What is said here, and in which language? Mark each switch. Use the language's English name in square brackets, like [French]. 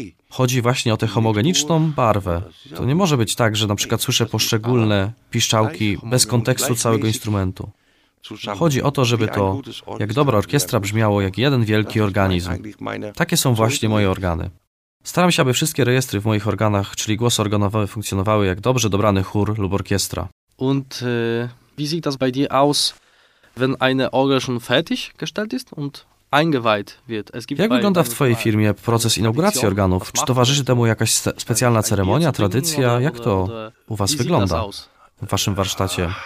[Polish] Chodzi właśnie o tę homogeniczną barwę. To nie może być tak, że na przykład słyszę poszczególne piszczałki bez kontekstu całego instrumentu. Chodzi o to, żeby to, jak dobra orkiestra, brzmiało jak jeden wielki organizm. Takie są właśnie moje organy. Staram się, aby wszystkie rejestry w moich organach, czyli głos organowy, funkcjonowały jak dobrze dobrany chór lub orkiestra. [German] Und wie sieht das bei dir aus? Wenn eine Orgel schon fertig gestellt ist und eingeweiht wird. [Polish] Jak wygląda w Twojej firmie proces inauguracji organów? Czy towarzyszy temu jakaś specjalna ceremonia, tradycja? Jak to u Was wygląda w Waszym warsztacie?